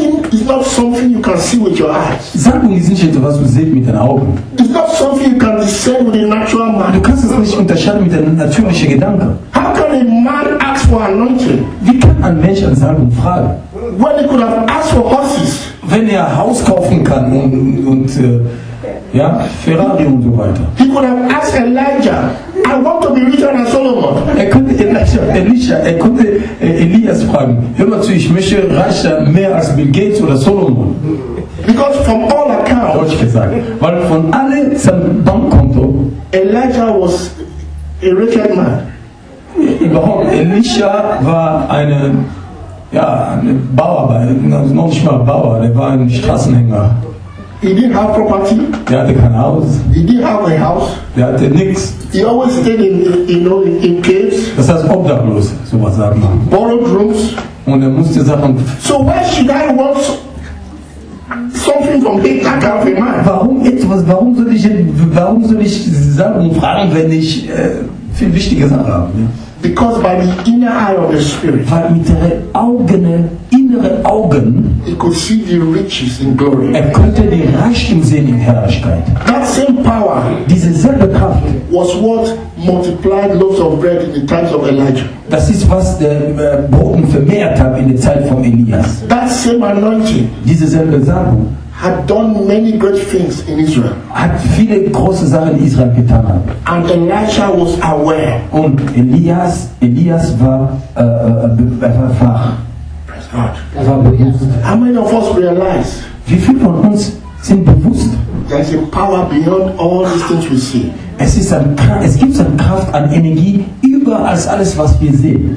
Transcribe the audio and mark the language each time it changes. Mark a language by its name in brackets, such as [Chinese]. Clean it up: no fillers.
[English] It's not something you can see with your eyes. [German] Salbung ist nicht etwas, was du siehst mit deinen Augen. [English] It's not something you can discern with a natural mind. [German] Du kannst es nicht unterscheiden mit einem natürlichen Gedanken. [English] How can a man ask for anointing? [German] Wie kann ein Mensch an Salbung fragen? [English] When he could have asked for horses. [German] Wenn er Haus kaufen kann und Ferrari und so weiter. [English] He could have asked Elijah. I want to be richer than Solomon. [German] Er konnte Elias fragen. Hör mal zu, ich möchte reicher mehr als Bill Gates oder Solomon. [English] Because from all accounts, [German] gesagt, weil von alle sein Bankkonto, [English] Elijah was a rich man. [German] Überhaupt, Elisha war ein Bauarbeiter, noch nicht mal Bauer, er war ein Straßenhänger. [English] He didn't have property. [German] Er hatte kein Haus. [English] He didn't have a house. [German] Er hatte nichts. [English] He always stayed in caves. [German] Das heißt obdachlos, so was sagen wir. [English] Borrowed rooms. [German] Und er musste Sachen. [English] So why should I want something from him? That kind of a man. [German] Warum soll ich Sachen fragen, wenn ich viel wichtige Sachen habe? Ja? [English] Because by the inner eye of the spirit. [German] Weil mit den Augen. Augen, [English] he could see the riches in glory. [German] Er konnte den Reichtum sehen in Herrlichkeit. [English] That same power, [German] diese selbe Kraft, [English] was what multiplied loaves of bread in the times of Elijah. [German] Das ist, was der Brocken vermehrt hat in der Zeit von Elias. [English] That same anointing, [German] diese selbe Salbung, [English] had done many great things in Israel. [German] Hat viele große Sachen in Israel getan. [English] And Elijah was aware. [German] Und Elias war erfahren. [English] How many of us realize? [German] Wie viele von uns sind bewusst? [English] There is a power beyond all these things we see. [German] Es gibt eine Kraft, eine Energie über als alles, was wir sehen.